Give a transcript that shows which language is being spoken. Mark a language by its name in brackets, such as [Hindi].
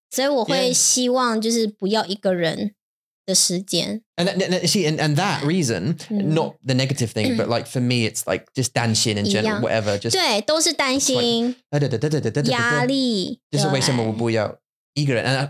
[Chinese] 所以我会希望就是不要一个人的时间。 [English] And that reason, not the negative thing, but like for me, it's like just 担心 in general, whatever. [Chinese] 对，都是担心。压力。这是为什么我不要一个人。